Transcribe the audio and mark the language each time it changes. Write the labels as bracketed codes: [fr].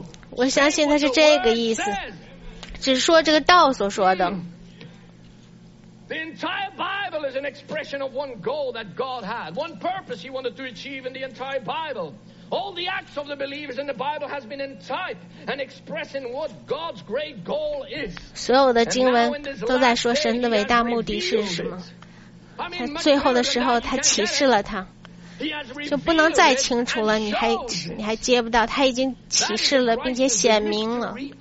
[zh] 我相信他是这个意思，只说这个道所说的。 [en] The entire Bible is an expression of one goal that God had, one purpose he wanted to achieve in the entire Bible. All the acts of the believers in the Bible has been in type and expressing what God's great goal is. [zh] 所有的经文都在说神的伟大目的是什么。在最后的时候他启示了他。就不能再清楚了，你还接不到，他已经启示了并且显明了。